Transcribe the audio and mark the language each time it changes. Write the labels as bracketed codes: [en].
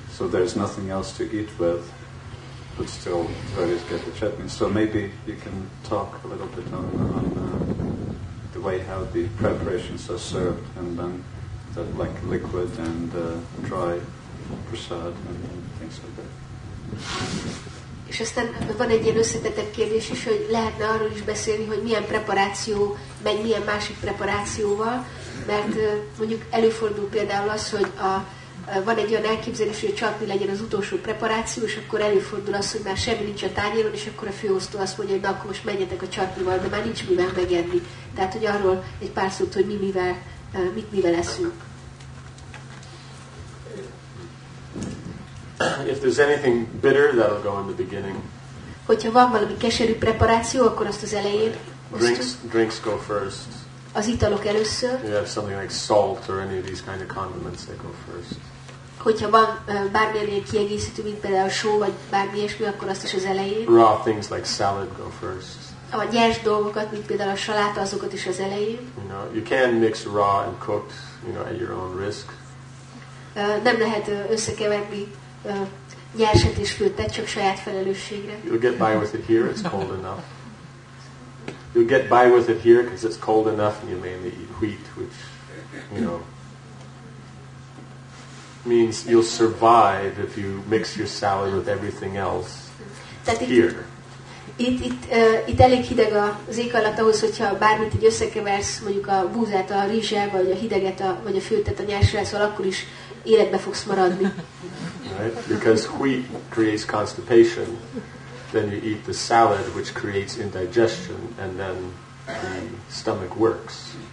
[en] So there's nothing else to eat with, but still devotees get the chutney. So maybe you can talk a little bit on the way how the preparations are served, and then that like liquid and dry prasad and things like that. [hu] És aztán van egy ilyen összetettebb kérdés is, hogy lehetne arról is beszélni, hogy milyen preparáció megy milyen másik preparációval, mert mondjuk előfordul például az, hogy van egy olyan elképzelés, hogy a csatni legyen az utolsó preparáció, és akkor előfordul az, hogy már semmi nincs a tányéron, és akkor a főosztó azt mondja, hogy na, akkor most menjetek a csatnival, de már nincs mivel megenni. Tehát, hogy arról egy pár szót, hogy mivel eszünk. [en] If there's anything bitter, that'll go in the beginning. [hu] Hogyha van valami keserű preparáció, akkor azt az elején. [en] Drinks go first. [hu] Az italok először. [en] If you have something like salt or any of these kind of condiments, they go first. [hu] Hogyha van bármilyen kiegészítő, mint például só vagy bármi ilyesmi, akkor azt is az elején. [en] Raw things like salad go first. [hu] A nyers dolgokat, mint például a saláta, azokat is az elején. [en] You know, you can mix raw and cooked, you know, at your own risk. [hu] Nem lehet összekeverni nyerset és főttet, csak saját felelősségre. [en] You'll get by with it here, it's cold enough. You'll get by with it here, because it's cold enough, and you mainly eat wheat, which, you know, means you'll survive if you mix your salad with everything else. [hu] Tehát [en] here. [hu] Itt elég hideg az ég alatt ahhoz, hogyha bármit így összekeversz, mondjuk a búzát a rizssel, vagy a hideget, vagy a főttet a nyersre, szóval akkor is életbe fogsz maradni. [en] Right? Because wheat creates constipation, then you eat the salad, which creates indigestion, and then the stomach works.